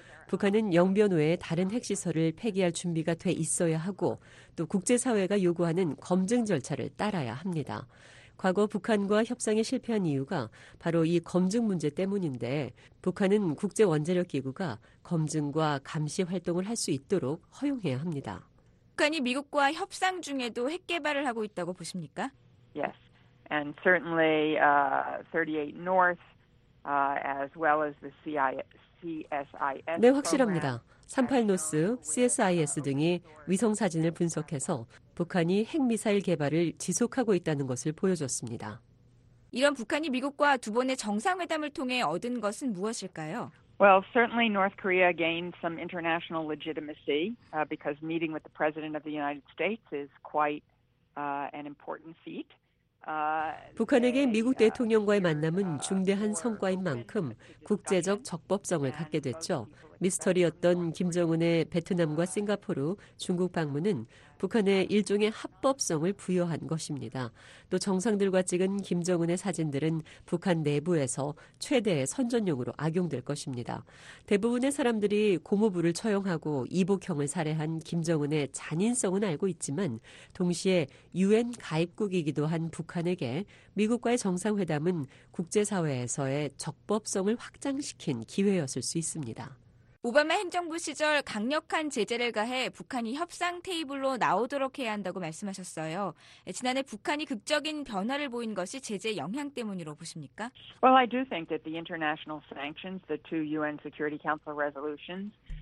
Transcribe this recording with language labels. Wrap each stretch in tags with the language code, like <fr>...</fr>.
<ko>북한은 영변 외에 다른 핵시설을 폐기할 준비가 돼 있어야 하고 또 국제사회가 요구하는 검증 절차를 따라야 합니다. 과거 북한과 협상에 실패한 이유가 바로 이 검증 문제 때문인데 북한은 국제원자력기구가 검증과 감시 활동을 할 수 있도록 허용해야 합니다. 북한이 미국과 협상 중에도 핵 개발을 하고 있다고 보십니까?</ko> <en>Yes, and certainly 38 North as well as the CSIS.</en> <ko>네, 확실합니다. 38노스, CSIS 등이 위성사진을 분석해서 북한이 핵미사일 개발을 지속하고 있다는 것을 보여줬습니다. 이런 북한이 미국과 두 번의 정상회담을 통해 얻은 것은 무엇일까요?</ko> <en>Well, certainly North Korea gained some international legitimacy because meeting with the President of the United States is quite an important feat.</en> <ko>북한에게 미국 대통령과의 만남은 중대한 성과인 만큼 국제적 적법성을 갖게 됐죠. 미스터리였던 김정은의 베트남과 싱가포르, 중국 방문은 북한에 일종의 합법성을 부여한 것입니다. 또 정상들과 찍은 김정은의 사진들은 북한 내부에서 최대의 선전용으로 악용될 것입니다. 대부분의 사람들이 고무부를 처형하고 이복형을 살해한 김정은의 잔인성은 알고 있지만 동시에 유엔 가입국이기도 한 북한에게 미국과의 정상회담은 국제사회에서의 적법성을 확장시킨 기회였을 수 있습니다. 오바마 행정부 시절 강력한 제재를 가해 북한이 협상 테이블로 나오도록 해야 한다고 말씀하셨어요. 지난해 북한이 극적인 변화를 보인 것이 제재 영향 때문이라고 보십니까?</ko> <en>Well, I do think that the international sanctions, the two UN Security Council resolutions,</en>